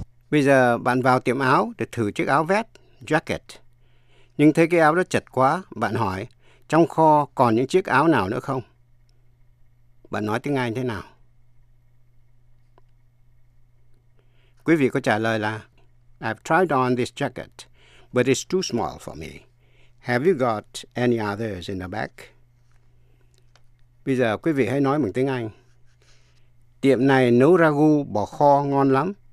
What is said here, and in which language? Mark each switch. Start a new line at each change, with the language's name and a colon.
Vietnamese: Bây giờ bạn vào tiệm áo để thử chiếc áo vest, jacket. Nhưng thấy cái áo đó chật quá, bạn hỏi, trong kho còn những chiếc áo nào nữa không? Bạn nói tiếng Anh thế nào? Quý vị có trả lời là
English: I've tried on this jacket, but it's too small for me. Have you got any others in the back?
Vietnamese: Bây giờ quý vị hãy nói bằng tiếng Anh. Tiệm này nấu ragu bò kho ngon lắm.